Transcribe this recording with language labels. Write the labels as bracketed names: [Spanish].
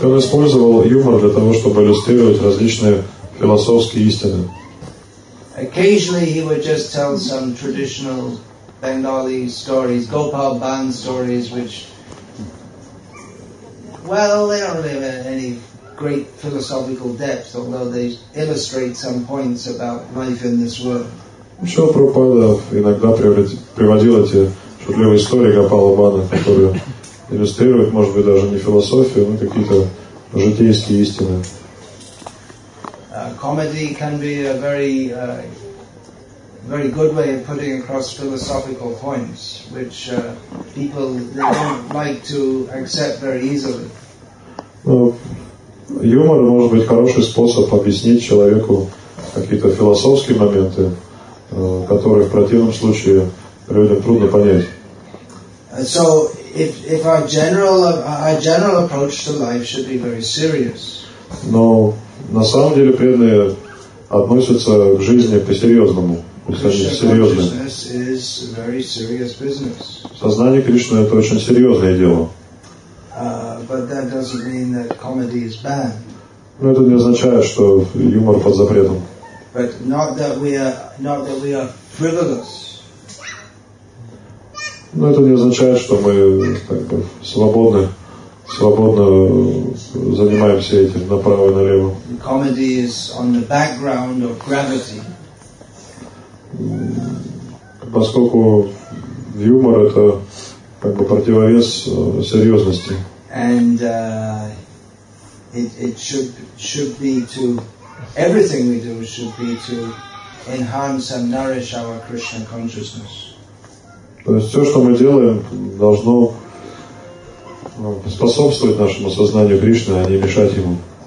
[Russian] Он использовал юмор для того, чтобы иллюстрировать различные философские истины. [English] Occasionally he would just tell some traditional Bengali stories, Gopal Ban stories, which, well, they don't really have any great philosophical depth, although they illustrate some points about life in this world. [Russian] Шрила Прабхупада иногда приводил эти шутливые истории Гопала Бана, которые иллюстрируют, может быть, даже не философию, но какие-то житейские истины. [English] Comedy can be a very, very good way of putting across philosophical points, which people they don't like to accept very easily. [Russian] Ну, юмор может быть хороший способ объяснить человеку какие-то философские моменты, которые в противном случае людям трудно понять. [English] So, if our general approach to life should be very serious. [Russian] Но на самом деле преданные относятся к жизни по-серьезному. Сознание Кришны – это очень серьезное дело. Но это не означает, что юмор под запретом. [English] But not that we are, not that we are frivolous. [Russian] Но это не означает, что мы как бы свободно занимаемся этим направо и налево. [English] Comedy is on the background of gravity. [Russian] Поскольку юмор это как бы противовес серьезности. [English] And it should be to everything we do should be to enhance and nourish our Krishna consciousness. [Russian] То есть все, что мы делаем, должно способствовать нашему сознанию Кришны, а не мешать ему.